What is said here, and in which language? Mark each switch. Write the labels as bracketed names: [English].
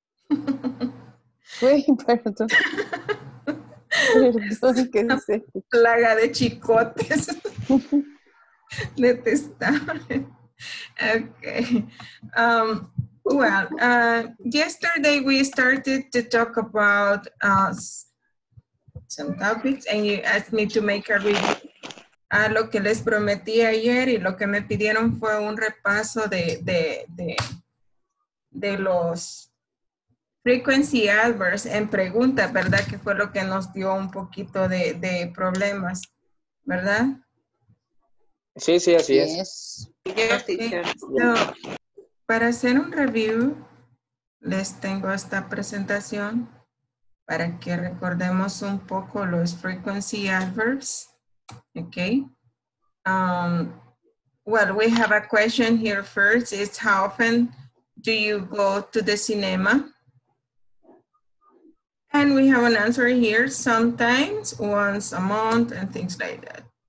[Spanish] Plaga de chicotes. Detestable. Okay. [English] Yesterday we started to talk about some topics, and you asked me to make a review. [Spanish] Lo que les prometí ayer y lo que me pidieron fue un repaso de los frequency adverbs en pregunta, ¿verdad? Que fue lo que nos dio un poquito de problemas, ¿verdad? Sí, sí, así [English] yes. [Spanish] es. [English] Okay. [Spanish] So, para hacer un review, les tengo esta presentación para que recordemos un poco los frequency adverbs, okay? [English] Well, we have a question here first. It's how often do you go to the cinema? And we have an answer here, sometimes, once a month, and things like that.